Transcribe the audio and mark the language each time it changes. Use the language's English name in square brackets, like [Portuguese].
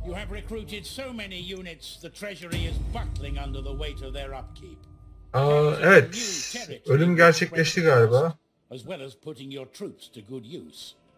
[English] Recruited so many units, the treasury is buckling under the weight of their upkeep. [Turkish] Evet, ölüm gerçekleşti galiba. [English] As well as putting your troops to good use.